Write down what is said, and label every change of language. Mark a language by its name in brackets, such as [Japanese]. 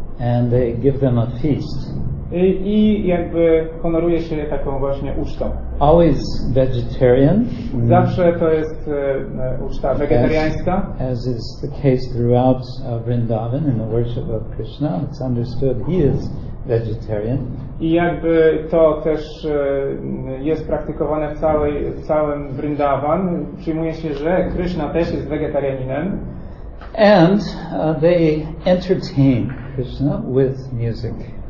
[English] And they give them a feast. [Polish] I jakby honoruje się taką właśnie ucztą. [English] Always vegetarian. [Polish] Zawsze to jest uczta wegetariańska. [English] As is the case throughout Vrindavan in the worship of Krishna, it's understood he is vegetarian. [Polish] I jakby to też jest praktykowane w całym Vrindavan. Przyjmuje się, że Krishna też jest wegetarianinem. [English] And they entertain Krishna with music.